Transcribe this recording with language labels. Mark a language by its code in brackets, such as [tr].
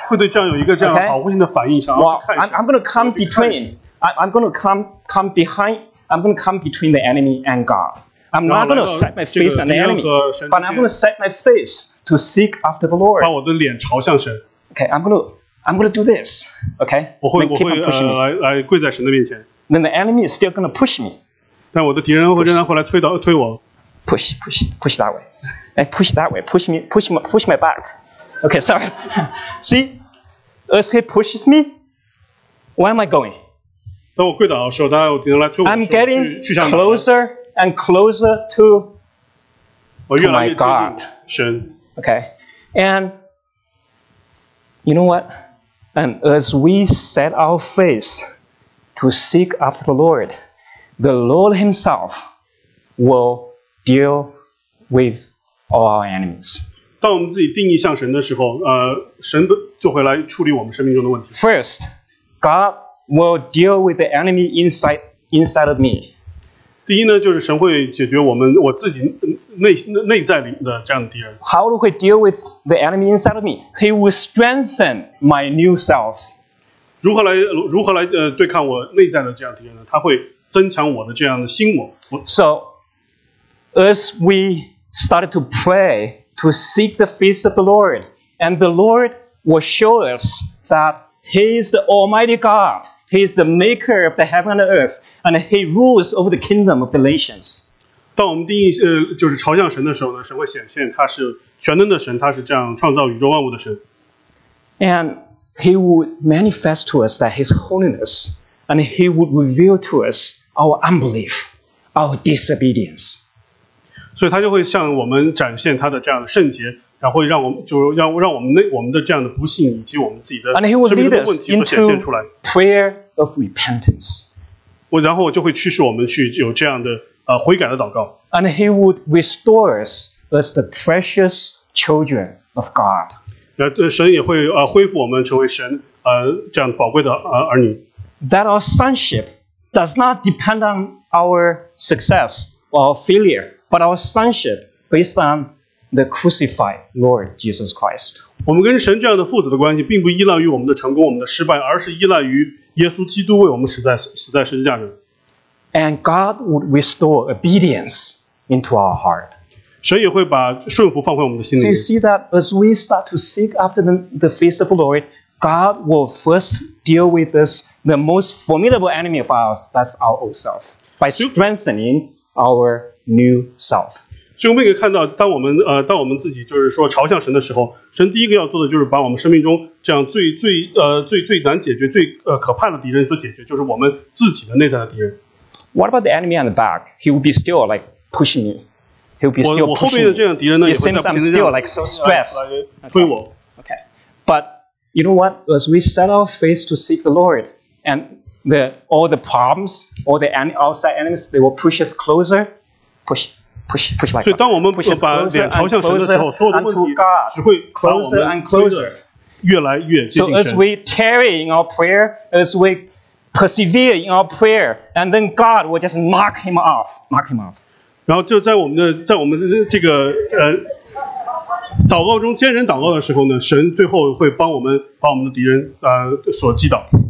[zh] 会对这样有一个这样保护性的反应，想要去看神。 [en] Well, I'm gonna come between. I'm going to come between the enemy and God. I'm not going to set my face on the enemy, but I'm going to set my face to seek after the Lord. [zh] 把我的脸朝向神。 [en] Okay, I'm going to do this. Okay, [zh] 我会跪在神的面前。 [en] Then the enemy is still going to push me. [zh] 但我的敌人会仍然会来推我。 [en] Push that way. And push that way. Push my back. Okay, sorry. See, as he pushes me, where am I going? [zh] 当我跪倒的时候，大家有敌人来推我， [en] I'm getting closer and closer to my God. [zh] 神 [en] Okay. And you know what? And as we set our face to seek after the Lord Himself will deal with all our enemies. [zh] 当我们自己定义向神的时候，神就会来处理我们生命中的问题。 [en] First, God. Will deal with the enemy inside of me. [zh] 第一呢，就是神会解决我自己内在里的这样的敌人。 [en] How do we deal with the enemy inside of me? He will strengthen my new self. [zh] 如何来对抗我内在的这样的敌人呢？他会增强我的这样的心魔。 [en] So, as we started to pray to seek the face of the Lord, and the Lord will show us that. He is the Almighty God. He is the maker of the heaven and the earth. And He rules over the kingdom of the nations. [zh] 当我们定义就是朝向神的时候呢，神会显现他是全能的神，他是这样创造宇宙万物的神。 [en] And He would manifest to us that His holiness, and He would reveal to us our unbelief, our disobedience. [zh] 所以他就会向我们展现他的这样的圣洁然后让我们就让让我们那我们的这样的不幸以及我们自己的生命的问题所显现出来。 [en] Prayer of repentance. [zh] 我然后我就会驱使我们去有这样的悔改的祷告。 [en] And he would restore us as the precious children of God. [zh] 神也会恢复我们成为神这样宝贵的儿女。 [en] That our sonship does not depend on our success or our failure, but our sonship based on the crucified Lord Jesus Christ. [zh] 我们跟神这样的父子的关系并不依赖于我们的成功、我们的失败，而是依赖于耶稣基督为我们死在十字架上。 [en] And God would restore obedience into our heart. [zh] 神也会把顺服放回我们的心里。 [en] So you see that as we start to seek after the face of the Lord, God will first deal with us the most formidable enemy of ours, that's our old self, by strengthening our new self. [zh] 所以我们可以看到，当我们自己就是说朝向神的时候，神第一个要做的就是把我们生命中这样最难解决、最可怕的敌人所解决，就是我们自己的内在的敌人。 [en] What about the enemy on the back? He will be still like pushing me. He will be still pushing. [zh] 我后面的这样敌人呢，也会在不停的 [en] still like so stressed [zh] 推我。 [en] Okay, but you know what? As we set our face to seek the Lord, and all the problems, all the outside enemies, they will push us closer, push. Push like that. [zh] 所以当我们把脸朝向神的时候，所有的问题只会把我们推得越来越接近神。 [en] So as we tarry in our prayer, as we persevere in our prayer, and then God will just knock him off, knock him off. [zh] 然后就在我们这个祷告中坚韧祷告的时候呢，神最后会把我们的敌人所击倒。